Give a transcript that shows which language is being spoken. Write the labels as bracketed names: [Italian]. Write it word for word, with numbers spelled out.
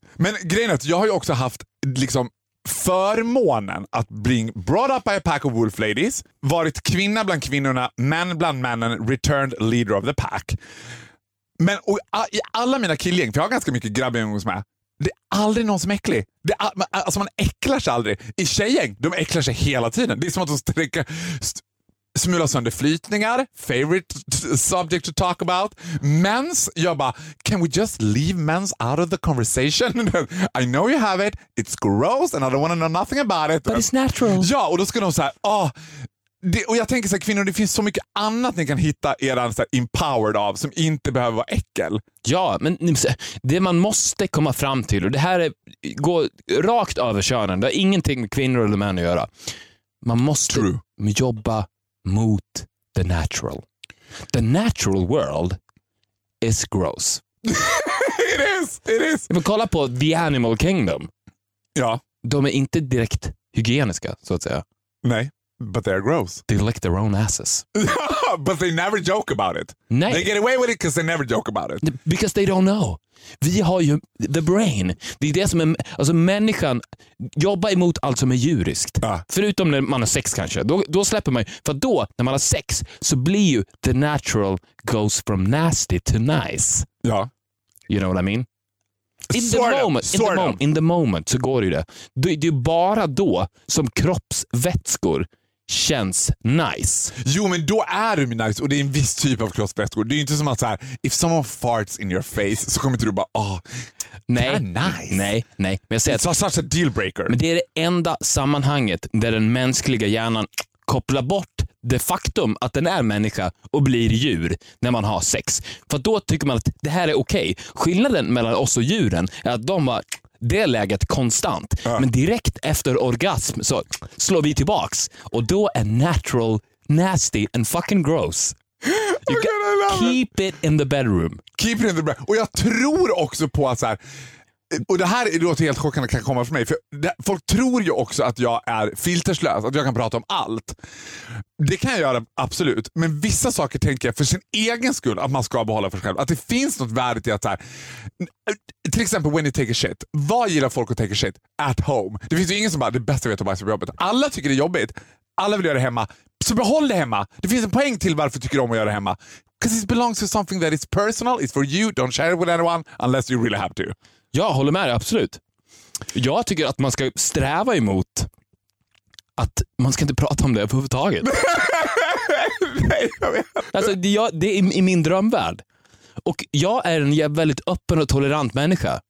[Swedish] Men grejen är att jag har ju också haft liksom förmånen att bli [English] brought up by a pack of wolf ladies, [Swedish] varit kvinna bland kvinnorna, män bland männen, [English] returned leader of the pack. [Swedish] Men och, i alla mina killgäng, för jag har ganska mycket grabbgäng hos mig, det är aldrig någon som är äcklig. Det är, alltså man äcklar sig aldrig. I tjejgäng, de äcklar sig hela tiden. Det är som att de sträcker, st- smular sönder flytningar. [English] Favorite t- subject to talk about. Mens, [Swedish] jag bara, [English] can we just leave mens out of the conversation? I know you have it, it's gross and I don't want to know nothing about it. But it's natural. [Swedish] Ja, och då ska de säga, åh. Oh, det, och jag tänker så här, kvinnor, det finns så mycket annat ni kan hitta eran så här empowered av som inte behöver vara äckel. Ja, men det man måste komma fram till, och det här är, går rakt över könen, det har ingenting med kvinnor eller män att göra. Man måste [English] true. [Swedish] Jobba mot [English] the natural. The natural world is gross. It is, it is. [Swedish] Men kolla på The Animal Kingdom. Ja. De är inte direkt hygieniska, så att säga. [English] Nej, but they're gross. They lick their own asses. But they never joke about it. [Swedish] Nej. [English] They get away with it because they never joke about it. Because they don't know. [Swedish] Vi har ju [English] the brain. [Swedish] Det är det som är, alltså människan jobbar emot allt som är djuriskt. Ah. Förutom när man har sex kanske. Då, då släpper man ju. För då, när man har sex, så blir ju [English] the natural goes from nasty to nice. [Swedish] Ja. [English] You know what I mean? In the, sort moment, in, the moment, in the moment [Swedish] så går det ju det. Det, det är bara då som kroppsvätskor känns nice. Jo, men då är du nice och det är en viss typ av kroppsvätskor. Det är ju inte som att så här, [English] if someone farts in your face [Swedish] så kommer inte du bara, ah, oh, nej, nice. Nej, nej. Men jag säger [English] it's [Swedish] att, [English] such a dealbreaker. [Swedish] Men det är det enda sammanhanget där den mänskliga hjärnan kopplar bort det faktum att den är människa och blir djur när man har sex. För då tycker man att det här är okej. Skillnaden mellan oss och djuren är att de var det läget konstant. Uh. Men direkt efter orgasm så slår vi tillbaks. Och då är [English] natural, nasty and fucking gross. You can keep it in the bedroom. Keep it in the bedroom. [Swedish] Och jag tror också på att så här... Och det här låter helt chockande kan komma för mig. För det, folk tror ju också att jag är filterslös. Att jag kan prata om allt. Det kan jag göra, absolut. Men vissa saker tänker jag för sin egen skull att man ska behålla för sig själv. Att det finns något värde i att så här, till exempel [English] when you take a shit. [Swedish] Vad gillar folk att [English] take a shit? At home. [Swedish] Det finns ju ingen som bara, det bästa jag vet att bajsa på jobbet. Alla tycker det är jobbigt. Alla vill göra det hemma. Så behåll det hemma. Det finns en poäng till varför tycker om att göra det hemma. [English] Because it belongs to something that is personal. It's for you. Don't share it with anyone unless you really have to. [Swedish] Jag håller med dig, absolut. Jag tycker att man ska sträva emot att man ska inte prata om det överhuvudtaget. Nej, jag vet. Alltså, det, jag, det är i min drömvärld. Och jag är en väldigt öppen och tolerant människa.